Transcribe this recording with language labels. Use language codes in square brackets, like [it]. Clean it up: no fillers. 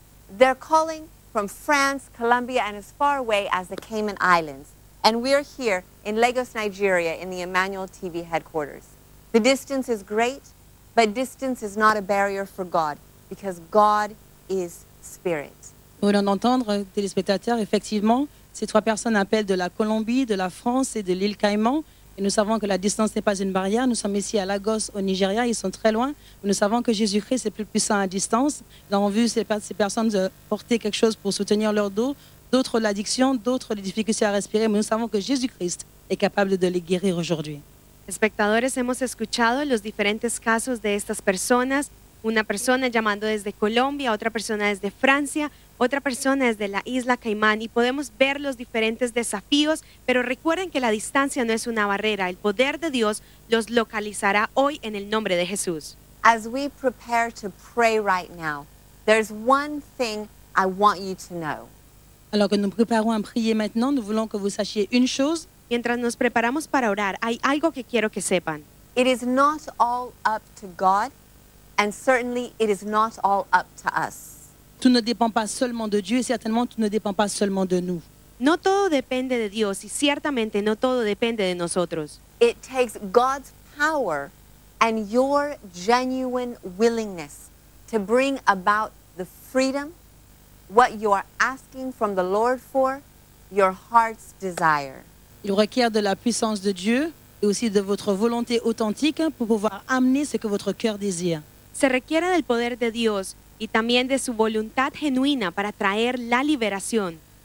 [en] They're calling from France, Colombia, and as far away as the Cayman Islands, and we're here in Lagos, Nigeria, in the Emmanuel TV headquarters. The distance is great, but distance is not a barrier for God, because God is spirit. [fr] Nous venons d'entendre, téléspectateurs, effectivement, ces trois personnes appellent de la Colombie, de la France et de l'île Caïman. Et nous savons que la distance n'est pas une barrière. Nous sommes ici à Lagos, au Nigeria, ils sont très loin. Nous savons que Jésus-Christ est plus puissant à distance. Nous avons vu ces personnes porter quelque chose pour soutenir leur dos, d'autres l'addiction, d'autres les difficultés à respirer. Mais nous savons que Jésus-Christ est capable de les guérir aujourd'hui. [es] Espectadores, hemos escuchado los diferentes casos de estas personas. Una persona llamando desde Colombia, otra persona desde Francia, otra persona desde la isla Caimán y podemos ver los diferentes desafíos, pero recuerden que la distancia no es una barrera. El poder de Dios los localizará hoy en el nombre de Jesús. [en] As we prepare to pray right now, there's one thing I want you to know. [fr] Alors que nous préparons à prier maintenant, nous voulons que vous sachiez une chose. [es] Mientras nos preparamos para orar, hay algo que quiero que sepan. [en] It is not all up to God, and certainly it is not all up to us. [fr] Tout ne dépend pas seulement de Dieu, et certainement tout ne dépend pas seulement de nous. [es] No todo depende de Dios, y ciertamente no todo depende de nosotros. [en] It takes God's power and your genuine willingness to bring about the freedom, what you are asking from the Lord for, your heart's desire. [fr] Il requiert de la puissance de Dieu et aussi de votre volonté authentique pour pouvoir amener ce que votre cœur désire. [es] Se requiere del poder de Dios y también de su voluntad genuina para traer la liberación.